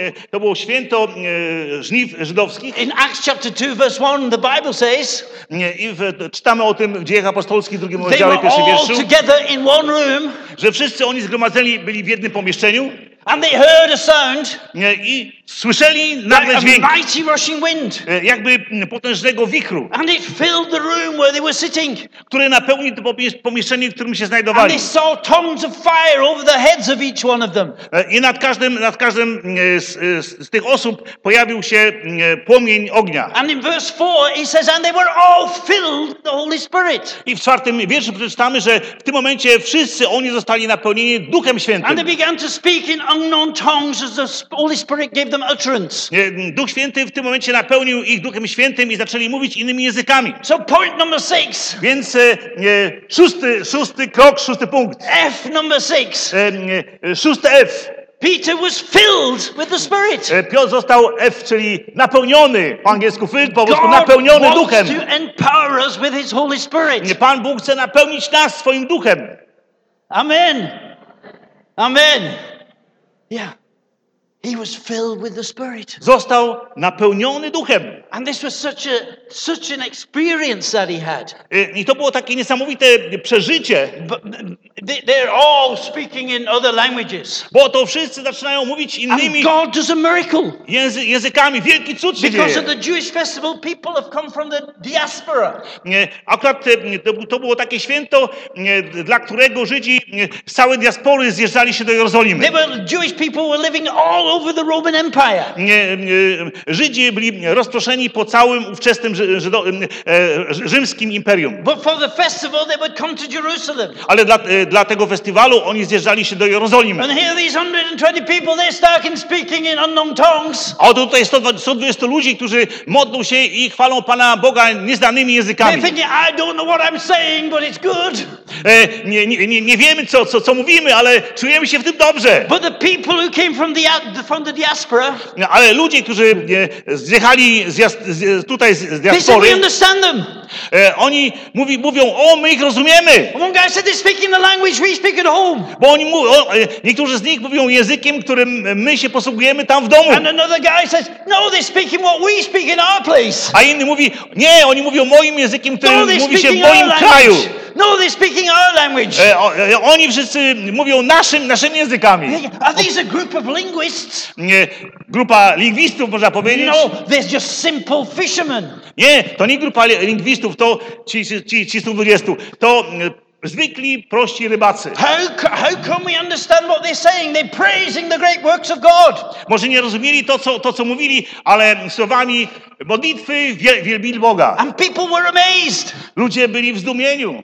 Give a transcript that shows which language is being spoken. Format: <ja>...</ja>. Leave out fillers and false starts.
<pl>to było święto żniw żydowskich.</pl> <en>In Acts chapter 2 verse 1 the Bible says,</en> <pl>czytamy o tym w Dziejach Apostolskich, drugim rozdziale, pierwszym wierszu,</pl> <en>all together in one room,</en> <pl>że wszyscy oni zgromadzeni byli w jednym pomieszczeniu.</pl> <en>And they heard a sound.</en> <pl>I słyszeli nagle dźwięk.</pl> <en>A mighty rushing wind.</en> <pl>Jakby potężnego wichru.</pl> <en>And it filled the room where they were sitting.</en> <pl>Który napełnił to pomieszczenie, w którym się znajdowali.</pl> <en>And they saw tongues of fire over the heads of each one of them.</en> <pl>I nad każdym z tych osób pojawił się płomień ognia.</pl> <en>And in verse 4 he says, and they were all filled with the Holy Spirit.</en> <pl>I w czwartym wierszu przeczytamy, że w tym momencie wszyscy oni zostali napełnieni Duchem Świętym.</pl> <en>And they began to speak in unknown tongues as the Holy Spirit gave them utterance.</en> <pl>Duch Święty w tym momencie napełnił ich Duchem Świętym i zaczęli mówić innymi językami.</pl> <en>So point number six.</en> <pl>Więc szósty krok, szósty punkt.</pl> <en>F number six.</en> <pl>Szósty F.</pl> <en>Peter was filled with the Spirit.</en> <pl>Piotr został F, czyli napełniony, po angielsku filled, po prostu napełniony Duchem.</pl> <en>God wants to empower us with his Holy Spirit.</en> <pl>Pan Bóg chce napełnić nas swoim Duchem.</pl> <en>Amen. Amen. Yeah. He was filled with the Spirit.</en> <pl>Został napełniony Duchem.</pl> <en>And this was such an experience that he had.</en> <pl>I to było takie niesamowite przeżycie.</pl> <en>They're all speaking in other languages.</en> <pl>Bo to wszyscy zaczynają mówić innymi.</pl> <en>And God does a miracle.</en> <pl>Językami. Wielki cud się dzieje.</pl> <en>Because of the Jewish festival, people have come from the diaspora.</en> <pl>Akurat to było takie święto, dla którego Żydzi z całej diaspory zjeżdżali się do Jerozolimy.</pl> <en>Jewish people were living all over the Roman Empire.</en> <pl>Żydzi byli rozproszeni po całym ówczesnym rzymskim imperium.</pl> <en>But for the festival, they would come to Jerusalem.</en> <pl>Ale dla tego festiwalu oni zjeżdżali się do Jerozolimy.</pl> <en>And here these 120 people, they're stuck in speaking in unknown tongues.</en> <pl>A tutaj 120 ludzi, którzy modlą się i chwalą Pana Boga nieznanymi językami.</pl> <en>They're thinking, I don't know what I'm saying, but it's good.</en> <pl>Nie wiemy, co mówimy, ale czujemy się w tym dobrze.</pl> <en>But the people who came from the diaspora,</en> <pl>ale ludzie, którzy zjechali tutaj z diaspory,</pl> <en>they said, we understand them.</en> <pl>Oni mówią, o, my ich rozumiemy.</pl> <en>One guy said, they're speaking the language we speak at home.</en> <pl>Bo oni niektórzy z nich mówią językiem, którym my się posługujemy tam w domu.</pl> <en>And another guy says, no, they're speaking what we speak in our place.</en> <pl>A inny mówi, nie, oni mówią moim językiem, którym mówi się w moim kraju.</pl> <en>No, they're speaking our language.</en> <pl>Oni wszyscy mówią naszymi językami.</pl> <en>Are these a group of linguists?</en> <pl>Nie, grupa lingwistów, można powiedzieć.</pl> <en>No, they're just simple fishermen.</en> <pl>Nie, to nie grupa lingwistów, to ci 120. To zwykli, prości rybacy.</pl> <en>How can we understand what they're saying? They're praising the great works of God.</en> <pl>Może nie rozumieli to, co mówili, ale słowami modlitwy wielbili Boga.</pl> <en>And people were amazed.</en> <pl>Ludzie byli w zdumieniu.</pl>